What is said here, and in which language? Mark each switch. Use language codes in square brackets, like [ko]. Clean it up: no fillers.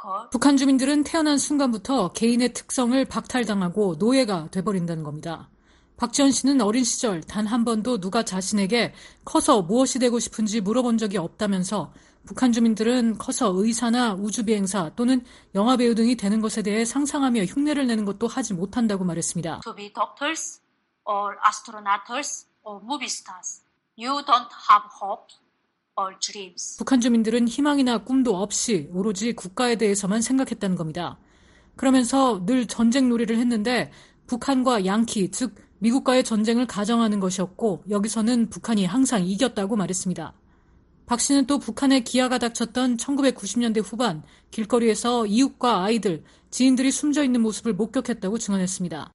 [ko] 북한 주민들은 태어난 순간부터 개인의 특성을 박탈당하고 노예가 돼버린다는 겁니다. 박지현 씨는 어린 시절 단 한 번도 누가 자신에게 커서 무엇이 되고 싶은지 물어본 적이 없다면서 북한 주민들은 커서 의사나 우주비행사 또는 영화배우 등이 되는 것에 대해 상상하며 흉내를 내는 것도 하지 못한다고 말했습니다. [en] To be doctors or astronauts or movie stars, you don't have hope. [ko] 북한 주민들은 희망이나 꿈도 없이 오로지 국가에 대해서만 생각했다는 겁니다. 그러면서 늘 전쟁 놀이를 했는데 북한과 양키, 즉 미국과의 전쟁을 가정하는 것이었고 여기서는 북한이 항상 이겼다고 말했습니다. 박 씨는 또 북한의 기아가 닥쳤던 1990년대 후반 길거리에서 이웃과 아이들, 지인들이 숨져 있는 모습을 목격했다고 증언했습니다.